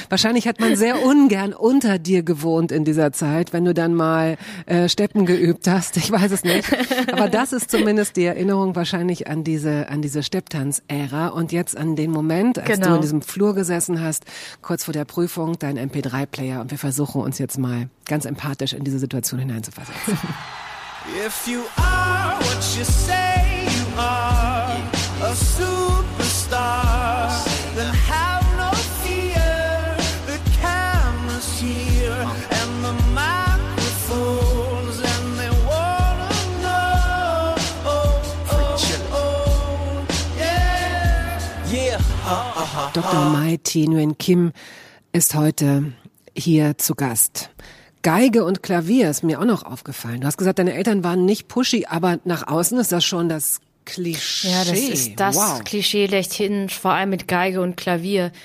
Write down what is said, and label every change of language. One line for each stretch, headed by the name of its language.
German: Wahrscheinlich hat man sehr ungern unter dir gewohnt in dieser Zeit, wenn du dann mal Steppen geübt hast. Ich weiß es nicht. Aber das ist zumindest die Erinnerung wahrscheinlich an diese Stepptanz-Ära. Und jetzt an den Moment, als du in diesem Flur gesessen hast, kurz vor der Prüfung, dein MP3-Player. Und wir versuchen uns jetzt mal ganz empathisch in diese Situation hineinzuversetzen.
English: If you are what you say you are, a superstar, then have no fear, the camera's here, and the microphones, and they wanna know, oh, oh, oh, yeah, yeah. Dr.
German: Mai Thi Nguyen Kim ist heute hier zu Gast. Geige und Klavier ist mir auch noch aufgefallen. Du hast gesagt, deine Eltern waren nicht pushy, aber nach außen ist das schon das Klischee. Ja, das ist das Klischee schlechthin, vor allem mit Geige und Klavier.